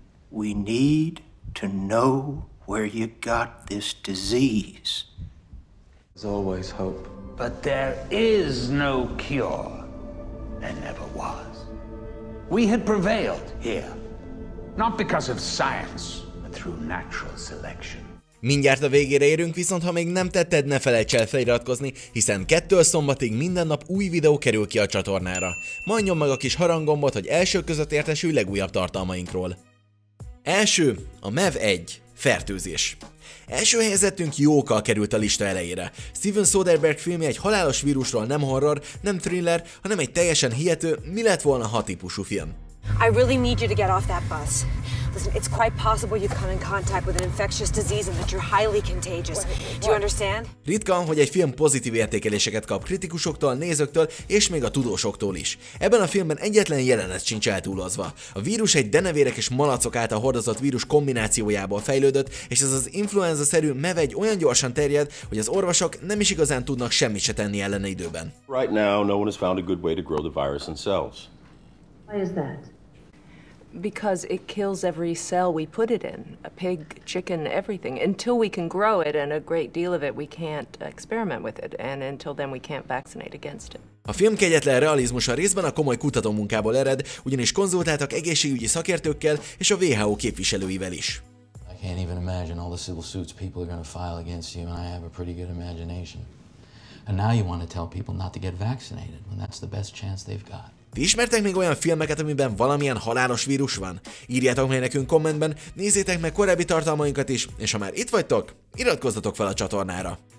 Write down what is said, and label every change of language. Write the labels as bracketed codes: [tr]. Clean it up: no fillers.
[en] We need to know where you got this disease. There's always hope. But there is no cure. and ever was. We had prevailed here, not because of science, but through natural selection. [hu] Mindjárt a végére érünk, viszont ha még nem tetted, ne felejts el feliratkozni, hiszen 2-től szombatig minden nap új videó kerül ki a csatornára. Majd nyomd meg a kis harangombot, hogy első között értesülj legújabb tartalmainkról. Első, a MEV 1. Fertőzés. Első helyzetünk Jóka került a lista elejére. Steven Soderbergh filmje egy halálos vírusról nem horror, nem thriller, hanem egy teljesen hihető, mi lett volna ha típusú film. [en] I really need you to get off that bus. Listen, it's quite possible you've come in contact with an infectious disease and that you're highly contagious. Do you understand? [hu] Ritka, hogy egy film pozitív értékeléseket kap kritikusoktól, nézőktől és még a tudósoktól is. Ebben a filmben egyetlen jelenet sincs eltúlozva. A vírus egy denevérek és malacok által hordozott vírus kombinációjából fejlődött, és ez az influenza-szerű MEV egy olyan gyorsan terjed, hogy az orvosok nem is igazán tudnak semmit se tenni ellene időben. [en] Right now, no one has found a good way to grow the virus in cells. Why is that? Because it kills every cell we put it in, a pig, chicken, everything. Until we can grow it and a great deal of it, we can't experiment with it, and until then we can't vaccinate against it. [hu] A film kegyetlen realizmusa részben a komoly kutatómunkából ered, ugyanis konzultáltak egészségügyi szakértőkkel és a WHO képviselőivel is. [en] I can't even imagine all the civil suits people are going to file against you, and I have a pretty good imagination. And now you want to tell people not to get vaccinated when that's the best chance they've got. [hu] Ti ismertek még olyan filmeket, amiben valamilyen halálos vírus van? Írjátok meg nekünk kommentben, nézzétek meg korábbi tartalmainkat is, és ha már itt vagytok, iratkozzatok fel a csatornára!